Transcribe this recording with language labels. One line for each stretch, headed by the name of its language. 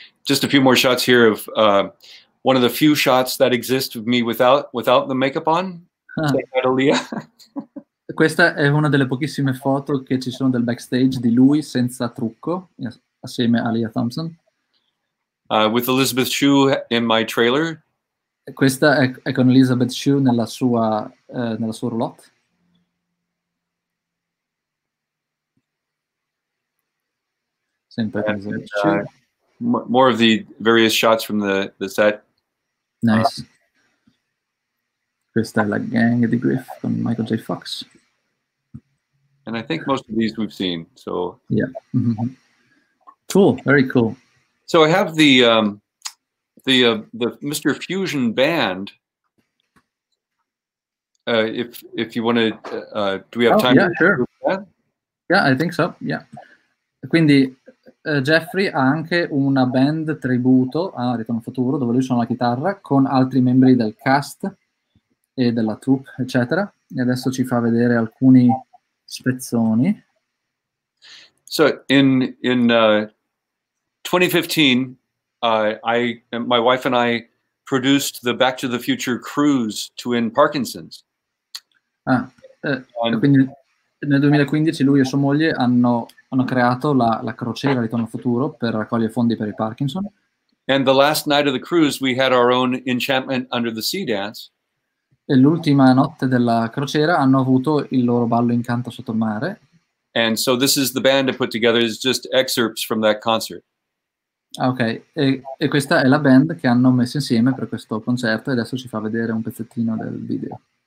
English: Just a few more shots here of one of the few shots that exist of me without the makeup on.
Italian: Questa è una delle pochissime foto che ci sono del backstage di lui senza trucco, assieme a Leah Thompson.
English: With Elizabeth Shue in my trailer.
Italian: Questa è con Elizabeth Shue nella sua roulotte. Sempre con Elizabeth Shue.
English: More of the various shots from the set. Nice.
Italian: Questa è la gang di Griff con Michael J. Fox.
English: And I think most of these we've seen, so. Yeah. Mm-hmm. Cool, very cool. So I have the... The Mr. Fusion band. If you want to, do we have time? Yeah, sure. Yeah, I think so. Yeah.
Italian: Quindi Jeffrey ha anche una band tributo a Ritorno al Futuro, dove lui suona la chitarra con altri membri del cast e della troupe, eccetera. E adesso ci fa vedere alcuni spezzoni.
English: So in 2015, my wife and I produced the Back to the Future cruise to win Parkinson's.
Italian: Quindi nel 2015 lui e sua moglie hanno creato la crociera Ritorno al Futuro per raccogliere fondi per il Parkinson.
English: And the last night of the cruise we had our own Enchantment Under the Sea dance.
Italian: E l'ultima notte della crociera hanno avuto il loro ballo Incanto sotto il mare.
English: And so this is the band I put together, is just excerpts from that concert.
Italian: Ok, e questa è la band che hanno messo insieme per questo concerto, e adesso ci fa vedere un pezzettino del video.